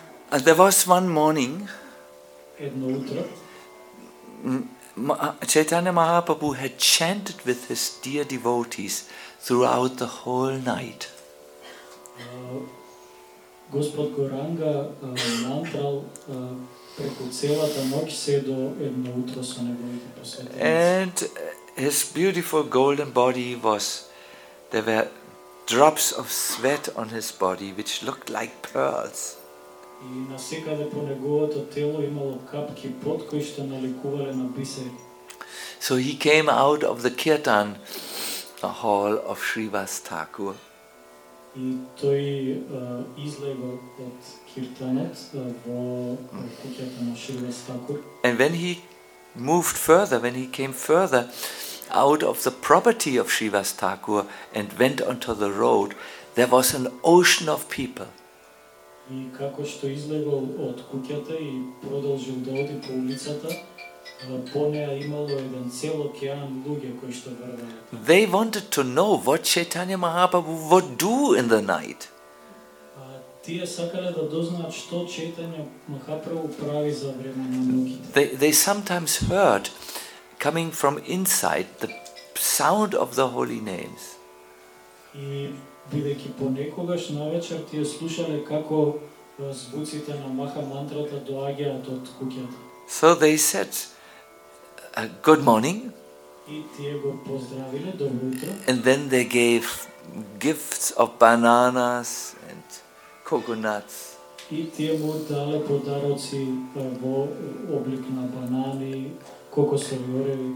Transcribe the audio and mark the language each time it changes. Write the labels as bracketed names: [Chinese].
[English] There was one morning, Chaitanya Mahaprabhu had chanted with his dear devotees throughout the whole night. [Macedonian] Господ Горанга мантрал преку целата ноќ се до едно утро со неговите посетители. [English] And his beautiful golden body was, there were drops of sweat on his body which looked like pearls. [Macedonian] И на секаде по неговото тело имало капки пот кои што наликувале на бисери. [English] So he came out of the kirtan, the hall of Shrivas Thakur. [Macedonian] и тој излегал од киртанот во куќата на Шрила Стакур. [English] And when he moved further, when he came further out of the property of Shrivas Thakur and went onto the road, there was an ocean of people. [Macedonian] И како што излегол од куќата и продолжил да оди по улицата, по неа имало еден цел океан луѓе кои што вървали. [English] They wanted to know what Chaitanya Mahaprabhu would do in the night. [Macedonian] Тие сакале да дознаат што Чајтања Махапрабху прави за време на ноќите. [English] They sometimes heard coming from inside the sound of the holy names. [Macedonian] И бидејќи понекогаш навечер тие слушале како звуците на маха мантрата доаѓаат од куќата. [English] So they said good morning. [Macedonian] И тие го поздравиле добро утро. [English] And then they gave gifts of bananas and coconuts. [Macedonian] И тие му дале подароци во облик на банани, кокосови ореви.